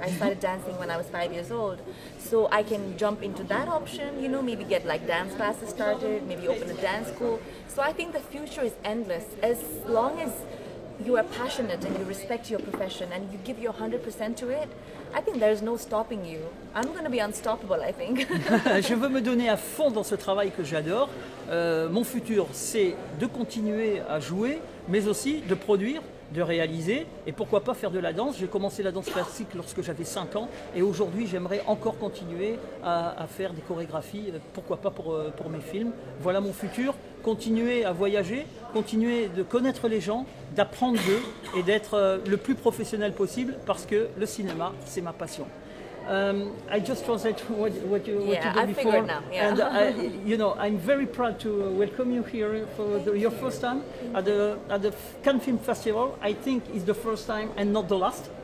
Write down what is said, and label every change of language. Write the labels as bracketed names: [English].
[English] I started dancing when I was 5 years old. So I can jump into that option, you know, maybe get like dance classes started, maybe open a dance school. So I think the future is endless. As long as you are passionate and you respect your profession and you give your 100% to it, I think there's no stopping you. I'm going to be unstoppable, I think. [French] Je veux me donner à fond dans ce travail que j'adore. Mon futur, c'est de continuer à jouer, mais aussi de produire, de réaliser et pourquoi pas faire de la danse. J'ai commencé la danse classique lorsque j'avais 5 ans et aujourd'hui j'aimerais encore continuer à faire des chorégraphies, pourquoi pas pour mes films. Voilà mon futur, continuer à voyager, continuer de connaître les gens, d'apprendre d'eux et d'être le plus professionnel possible parce que le cinéma c'est ma passion. [English] I just translate what you did before. Yeah, I figured now. Yeah. And you know, I'm very proud to welcome you here for your first time at the Cannes Film Festival. I think it's the first time and not the last.